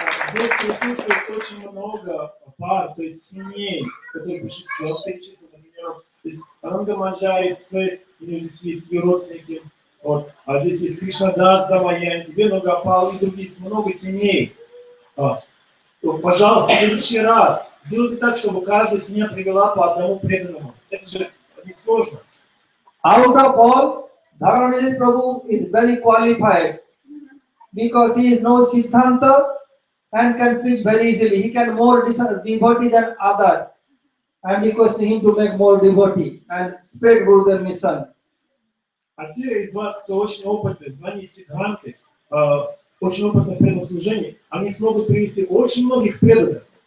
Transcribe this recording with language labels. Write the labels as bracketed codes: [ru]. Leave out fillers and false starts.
[ru] Здесь присутствует очень много пар, то есть семей, которые пришли с Гопи, честно, например, Ананда Манджари, у него здесь есть ее родственники, вот, а здесь есть Кришна Дас, Дамаянти, Вену Гопал и другие, есть много семей. Пожалуйста, в следующий раз сделайте так, чтобы каждая семья привела по одному преданному. Это же несложно. [en] Out of all, Dharanidhi Prabhu is very qualified because he knows Siddhanta and can preach very easily. He can more devotee than other. I'm requesting him to make more devotee and spread Gurudev mission. [ru] А те из вас, кто очень опытный, звание Сиддханты, очень опытный в преданном служении, они смогут привести очень многих преданных.